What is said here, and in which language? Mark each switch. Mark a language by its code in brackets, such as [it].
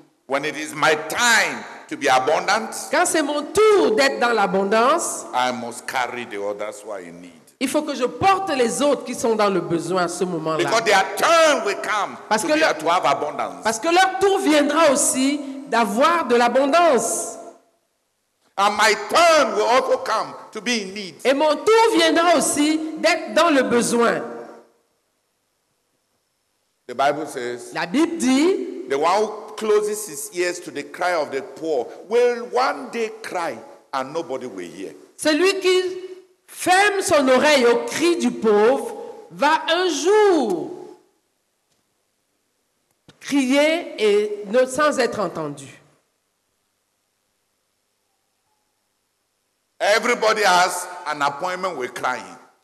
[en] When it is my time to be abundant, [fr] quand c'est mon tour d'être dans l'abondance, [en] I must carry the others who I need. [fr] Il faut que je porte les autres qui sont dans le besoin à ce moment-là. [en] Because their turn will come to have abundance. [fr] Parce que leur tour viendra aussi d'avoir de l'abondance. [en] And my turn will also come to be in need. [fr] Et mon tour viendra aussi d'être dans le besoin. [en] The Bible says, [fr] la Bible dit, [en] the one who closes his ears to the cry of the poor will one day cry and nobody will hear. [fr] Celui qui ferme son oreille au cri du pauvre, va un jour crier et ne sans être entendu. [en] Everybody has an appointment with crying.